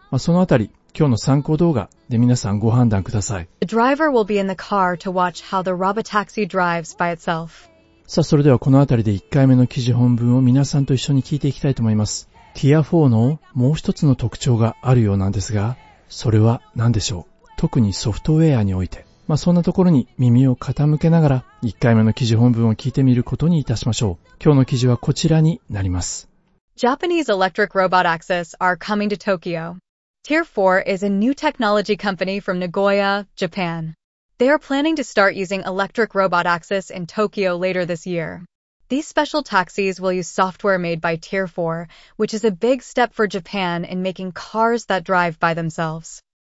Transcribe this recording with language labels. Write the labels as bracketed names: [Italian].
[Japanese] まあ、そのあたり、今日の参考動画で皆さんご判断ください。 [English] The driver will be in the car to watch how the robotaxi drives by itself. [Japanese] さあそれではこのあたりで1回目の記事本文を皆さんと一緒に聞いていきたいと思います。 Tier 4のもう一つの特徴があるようなんですが、それは何でしょう？特にソフトウェアにおいて。まあそんなところに耳を傾けながら1回目の記事本文を聞いてみることにいたしましょう。今日の記事はこちらになります。 [English] Japanese electric robot axis are coming to Tokyo. Tier 4 is a new technology company from Nagoya, Japan. They are planning to start using electric robot axis in Tokyo later this year. These special taxis will use software made by Tier 4, which is a big step for Japan in making cars that drive by themselves.